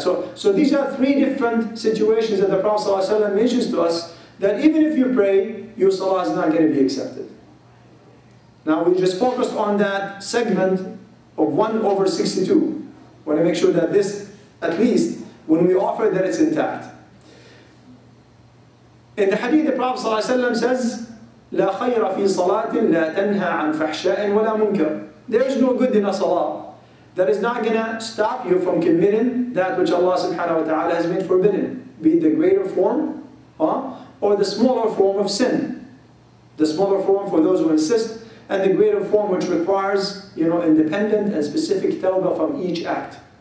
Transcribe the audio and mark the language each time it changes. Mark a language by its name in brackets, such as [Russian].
[English] So these are three different situations that the Prophet ﷺ mentions to us, that even if you pray, your salah is not going to be accepted. Now we just focused on that segment of 1 over 62. Want to make sure that this, at least, when we offer it, that it's intact. [Arabic] In the hadith, the Prophet ﷺ says, لا خير في صلاة لا تنهى عن فحشاء ولا منكر. [English] There is no good in a salah that is not gonna stop you from committing that which Allah subhanahu wa ta'ala has made forbidden, be it the greater form or the smaller form of sin. The smaller form for those who insist, and the greater form which requires, you know, independent and specific tawbah from each act.